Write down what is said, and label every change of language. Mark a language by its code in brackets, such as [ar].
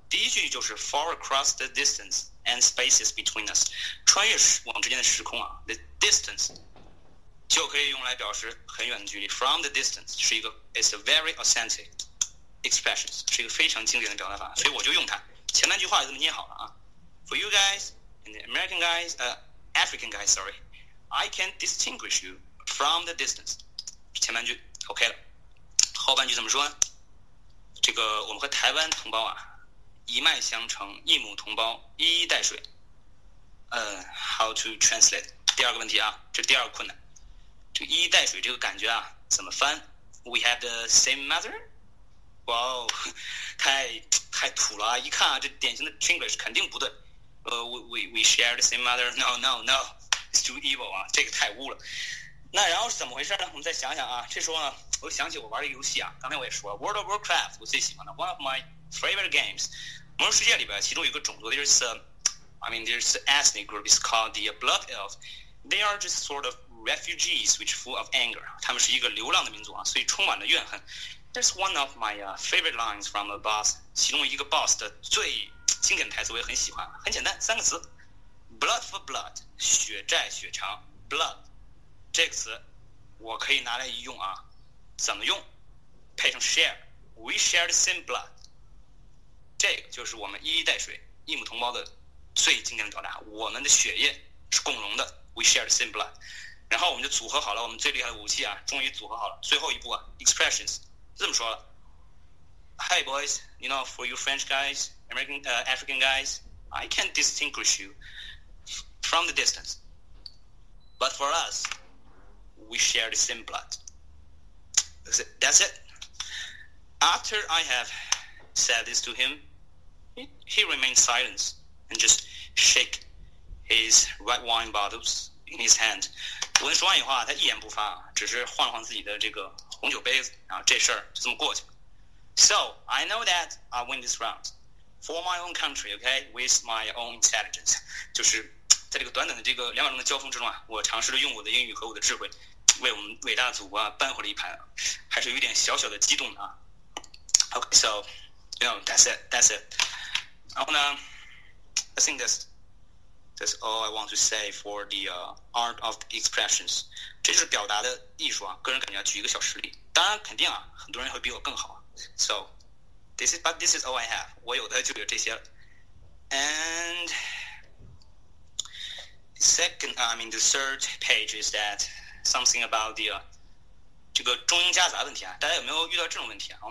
[zh] 第一句就是 [en] Far across the distance and spaces between us， [zh] 穿越我们之间的时空啊。 The distance 就可以用来表示很远的距离， From the distance 是一个 [en] It's a very authentic expression， [zh] 是一个非常经典的表达法，所以我就用它。前半句话就这么捏好了啊。 [en] For you guys And the American guys, African guys, sorry, I can distinguish you from the distance. [zh] 前半句 OK 了，后半句怎么说呢？这个我们和台湾同胞啊，一脉相承，一母同胞，一衣带水。 [en] How to translate? [zh] 第二个问题啊，这第二个困难，这一衣带水这个感觉啊，怎么翻 ？ [en] We have the same mother? [zh] 哇哦，太土了啊！一看啊，这典型的 Chinglish 肯定不对。 [en] We share the same mother. No, it's too evil 啊， [zh] 这个太污了。那然后是怎么回事呢？我们再想想啊。这时候呢，我想起我玩的游戏啊，刚才我也说了 World of Warcraft， 我最喜欢的 [en] One of my favorite games， [zh] 魔兽世界里边其中有一个种族，就是 [en] I mean there's an ethnic group is called the Blood Elves. They are just sort of refugees which full of anger. [zh] 他们是一个流浪的民族啊，所以充满了怨恨。 [en] There's one of my favorite lines from a boss， [zh] 其中一个 boss 的最经典的台词我也很喜欢，很简单，三个词 ， [en] blood for blood， [zh] 血债血偿 ，blood， 这个词我可以拿来一用啊，怎么用？配上 share， [en] we share the same blood， [zh] 这个就是我们一衣带水，一母同胞的最经典的表达，我们的血液是共融的， [en] we share the same blood。 [zh] 然后我们就组合好了我们最厉害的武器啊，终于组合好了，最后一步啊， [en] expressions 这么说了，Hey boys, you know, for you French guys, American, African guys, I can distinguish you from the distance, but for us, we share the same blood. That's it. After I have said this to him, he remained silent and just shake his red wine bottles in his hand. [zh] 我跟说完以后啊，他一言不发，只是晃了晃自己的这个红酒杯子，然后这事儿就这么过去了。 [en] So I know that I win this round for my own country, okay, with my own intelligence. [zh] 就是在这个短短的这个两秒钟的交锋之中啊，我尝试着用我的英语和我的智慧，为我们伟大的祖国啊扳回了一盘，还是有点小小的激动的啊。 [en] Okay, so you know, that's it. 然后呢，I think that's all I want to say for the art of expressions. [zh] 这就是表达的艺术啊，个人感觉举一个小实例。当然，肯定啊，很多人会比我更好。 [en] So, this is all I have. [zh] 我有的就有这些了。 [en] And second, I mean the third page is that something about the [zh] 这个中英夹杂问题啊，大家有没有遇到这种问题啊？